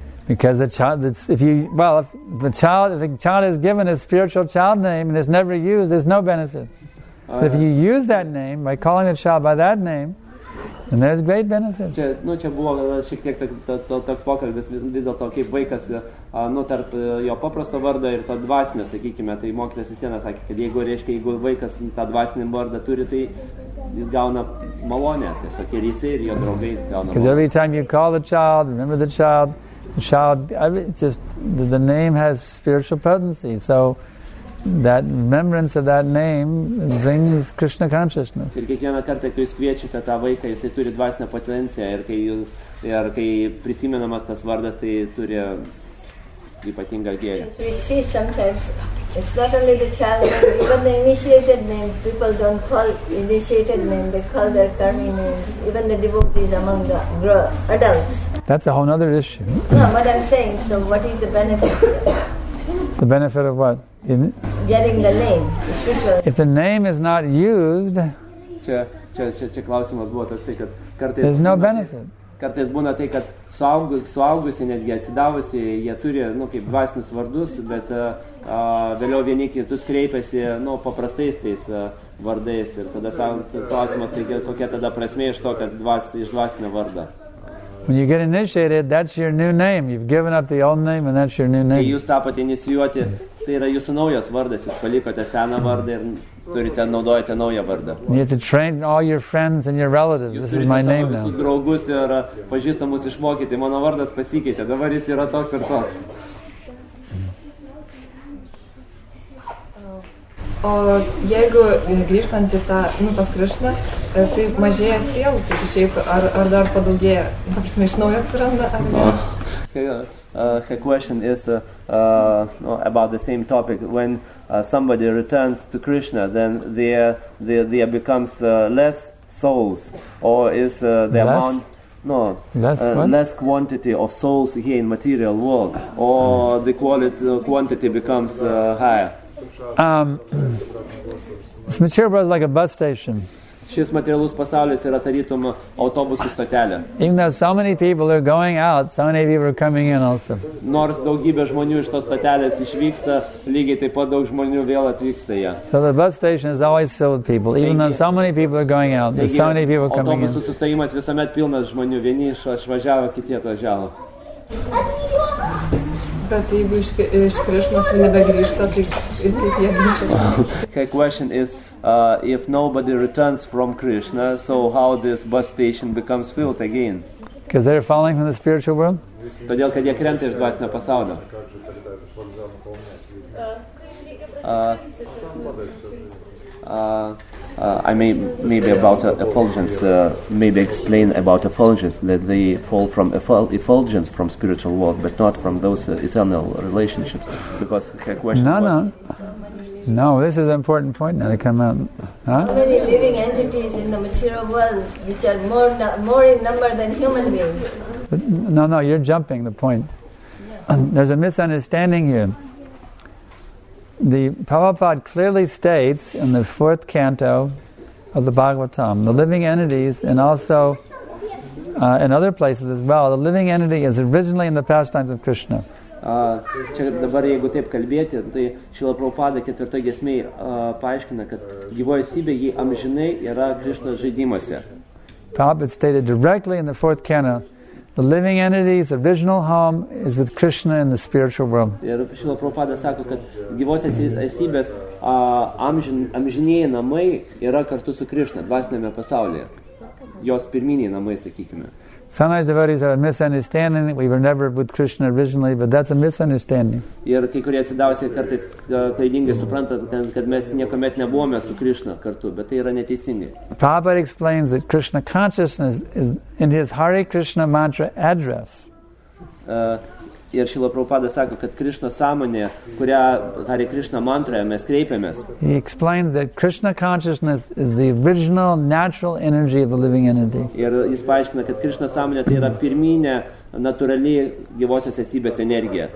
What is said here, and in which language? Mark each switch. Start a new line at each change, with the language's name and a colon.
English: Because the child, if the child is given a spiritual child name and it's never used, there's no benefit. But if you use that name by calling the child by that name, then there's great benefit.
Lithuanian: Čia, nu, čia buvo šiek tiek toks pokalbis, vis dėlto kaip vaikas, nu, tarp jo paprasto vardo ir to dvasinio, sakykime, tai mokytas vis viena sakė, kad jeigu vaikas tą dvasinį vardą turi, tai jis gauna malonę, tiesiog ir jis ir jo draugai gauna.
English: Because every time you call the child, remember the child, just the name has spiritual potency, so that remembrance of that name brings Krishna consciousness.
Lithuanian: Ir kiekvieną kartą, kai jūs kviečiate tą vaiką, jisai turi dvasinę potenciją, ir kai prisimenamas tas vardas, tai turi ypatingą gėrį.
English: We see sometimes, it's not only the child name, even the initiated name, people don't call initiated name, they call their karmic names, even the devotees among the adults. That's a whole other issue. No, what I'm saying, so what is the benefit? The benefit of what? Getting the name. If the name is not used,
Lithuanian: čia klausimas buvo toks, kad kartais
English: there's no benefit.
Lithuanian: Kartais būna tai, kad suaugusi netgi atsidavusi, jie turi, nu, kaip dvasinius vardus, bet vėliau vieni kitus kreipiasi, nu, paprastais tais vardais. Ir tada klausimas, tai kokia tada prasmė iš to, kad iš dvasinio vardą.
English: When you get initiated, that's your new name. You've given up the old name, and that's your new name.
Lithuanian: Kai jūs tapote inicijuoti, tai yra jūsų naujas vardas. Jūs palikote seną vardą ir turite naudojate naują vardą.
English: You have to train all your friends and your relatives. This is my name now.
Lithuanian: Jūs turite savo visus draugus ir pažįstamus išmokyti. Mano vardas pasikeitė. Dabar jis yra toks ir toks. O jeigu grįžtant į tą, nu, pas Krišną, tai mažėja sielų, kaip išėjau, ar dar padaugėja, ta prasme, iš naujo atsiranda, ar ne?
English: Her question is about the same topic. When somebody returns to Krishna, then there becomes less souls, or is the less? Amount... No, less quantity of souls here in material world, or the quantity becomes higher? This material world is like a bus station.
Lithuanian: Šis materialus pasaulis yra tarytum autobusų stotelė.
English: Even though so many people are going out, so many people are coming in also.
Lithuanian: Nors daugybė žmonių iš tos stotelės išvyksta, lygiai taip pat daug žmonių vėl atvyksta ją.
English: So the bus station is always filled with people. Even though so many people are going out, there's so many people coming in.
Lithuanian: Autobusų sustojimas visuomet pilnas žmonių. Vieni išvažiavo, kiti atvažiavo. Bet jeigu iš Krišnos nebegrįžta, tai kaip jie grįžta?
English: Her question is, if nobody returns from Krishna, so how this bus station becomes filled again? Because they're falling from the spiritual world?
Lithuanian: Todėl, kad jie krenta iš dvasinio pasaulio.
English: I may maybe about effulgence, maybe explain about effulgence, that they fall from effulgence from spiritual world, but not from those eternal relationships, because her question no, was... No, this is an important point now to come out. Huh? So many living entities in the material world, which are more in number than human beings. But no, you're jumping the point. Yeah. There's a misunderstanding here. The Prabhupada clearly states in the fourth canto of the Bhagavatam, the living entities, and also in other places as well, the living entity is originally in the pastimes of Krishna.
Lithuanian: Čia dabar, jeigu taip kalbėti, tai Šrila Prabhupada ketvirtoje giesmėje paaiškina, kad gyvoji esybė jį amžinai yra Krishna žaidimuose.
English: Prabhupada stated directly in the fourth canon, the living entity's original home is with Krishna in the spiritual realm.
Lithuanian: Ir Šrila Prabhupada sako, kad gyvosios esybės amžinieji namai yra kartu su Krishna dvasiniame pasaulyje. Jos pirminiai namai, sakykime.
English: Sometimes devotees have a misunderstanding that we were never with Krishna originally, but that's a misunderstanding.
Lithuanian: Ir kai kurie atsidavusiai kartais klaidingai supranta, kad mes niekuomet nebuvome su Krishna kartu, bet tai yra neteisingai.
English: Prabhupada explains that Krishna consciousness is in his Hare Krishna mantra address.
Lithuanian: Ir Šrila Prabhupada sako, kad Krishna sąmonė, kurią Hare Krishna mantroje mes kreipiamės.
English: He explains that Krishna consciousness is the original natural energy of the living entity.
Lithuanian: Ir jis paaiškina, kad Krishna sąmonė tai yra pirminė natūrali gyvosios esybės energija.